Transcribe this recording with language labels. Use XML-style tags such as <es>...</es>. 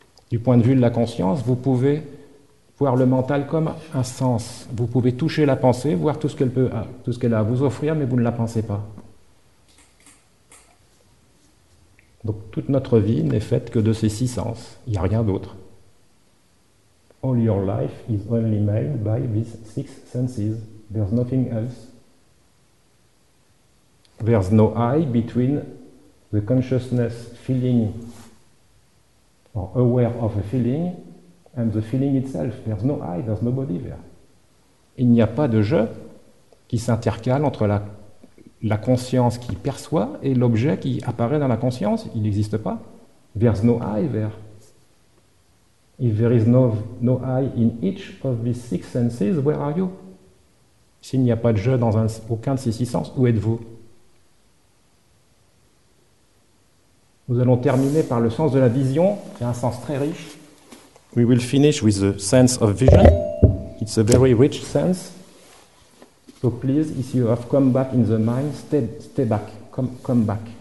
<fr>Du point de vue de la conscience, vous pouvez voir le mental comme un sens. Vous pouvez toucher la pensée, voir tout ce qu'elle a à vous offrir, mais vous ne la pensez pas. Donc toute notre vie n'est faite que de ces 6 sens. Il n'y a rien d'autre.</fr> <en>All your life is only made by these 6 senses. There's nothing else. There's no eye between the consciousness feeling or aware of a feeling and the feeling itself. There's no eye, there's nobody there.</en> <fr>Il n'y a pas de je qui s'intercale entre la conscience qui perçoit et l'objet qui apparaît dans la conscience. Il n'existe pas.</fr> <en>There's no eye there. If there is no eye in each of these 6 senses, where are you?</en> <fr>S'il n'y a pas de je dans aucun de ces 6 sens, où êtes-vous? Nous allons terminer par le sens de la vision, qui est un sens très riche.</fr> <en>We will finish with the sense of vision. It's a very rich sense. So please, if you have come back in the mind, stay back. Come back.</en>